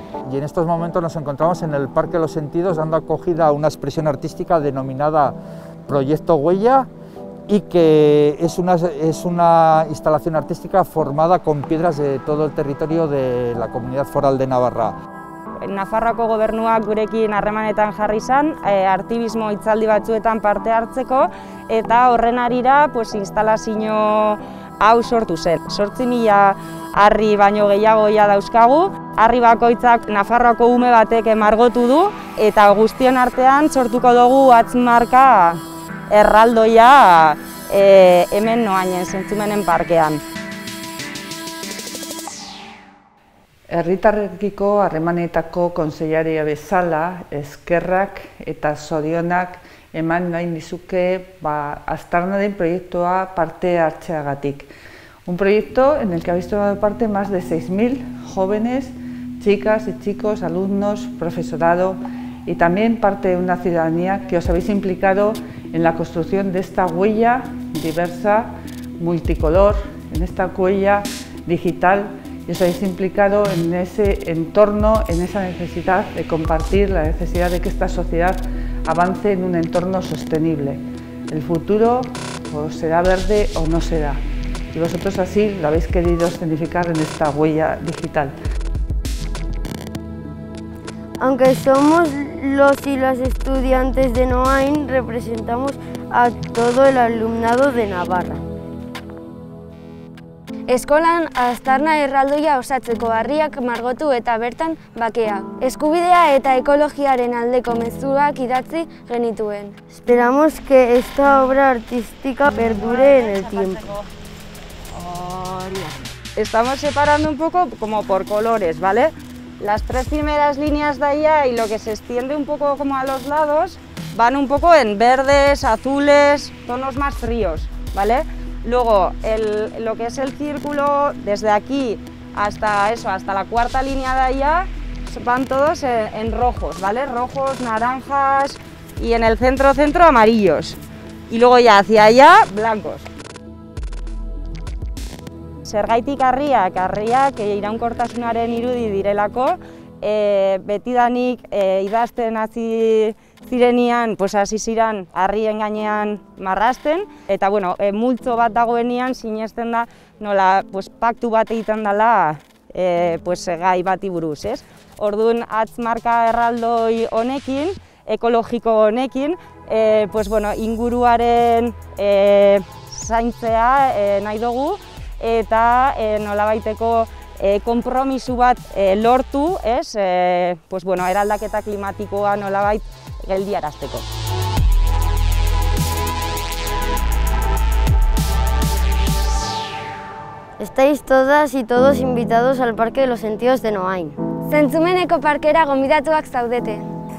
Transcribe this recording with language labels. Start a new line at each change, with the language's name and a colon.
Spanish: Y en estos momentos nos encontramos en el Parque de los Sentidos dando acogida a una expresión artística denominada Proyecto Huella y que es una instalación artística formada con piedras de todo el territorio de la Comunidad Foral de Navarra.
Basque: Nafarroako gobernuak gurekin harremanetan jarri izan, artibismo hitzaldi batzuetan parte hartzeko, eta horren arira pues, instalazio hau sortu zen. 8.000 harri baino gehiago ja dauzkagu, harri bakoitzak Nafarroako ume batek margotu du, eta guztion artean sortuko dugu atzmarka erraldoia hemen noainen, zentzumenen parkean. Herritarrekiko harremanetako kontseilaria bezala eskerrak eta zorionak eman nahi nizuke aztarnaren proiektua parte hartzeagatik.
Spanish: Un proiektu en el que habéis tomado parte más de 6.000 jóvenes, chicas y chicos, alumnos, profesorado y también parte de una ciudadanía que os habéis implicado en la construcción de esta huella diversa, multicolor, en esta huella digital. Y os habéis implicado en ese entorno, en esa necesidad de compartir, la necesidad de que esta sociedad avance en un entorno sostenible. El futuro o será verde o no será. Y vosotros así lo habéis querido escenificar en esta huella digital. Aunque somos los y las estudiantes de Noain, representamos a todo el alumnado de Navarra.
Basque: Eskolan aztarna erraldoia osatzeko harriak margotu eta bertan bakea. Eskubidea eta ekologiaren aldeko mezuak idatzi genituen.
Spanish: Esperamos que esta obra artística perdure en el tiempo. Estamos separando un poco como por colores, ¿vale? Las tres primeras líneas de allá y lo que se extiende un poco como a los lados van un poco en verdes, azules, tonos más fríos, ¿vale? Luego, lo que es el círculo, desde aquí hasta eso, hasta la cuarta línea de allá, van todos en rojos, ¿vale? Rojos, naranjas y en el centro, amarillos. Y luego ya hacia allá, blancos.
Basque: Zergaitik harriak, harriak iraunkortasunaren irudi direlako, betidanik idazten hasi zirenean, pues hasi ziren harrien gainean marrasten, eta bueno, multzo bat dagoenean sinesten da nola pues, paktu bat egiten dela pues, gai bati buruz. Ez? Orduan, atzmarka erraldoi honekin, ekologiko honekin, pues, bueno, inguruaren zaintzea nahi dugu, eta nolabaiteko konpromisu bat lortu, ez? Pues bueno, eraldaketa klimatikoa nolabait geldiarazteko.
Spanish: Estáis todas y todos invitados al Parque de los Sentidos de Noain.
Basque: Zentzumeneko parkera gonbidatuak zaudete.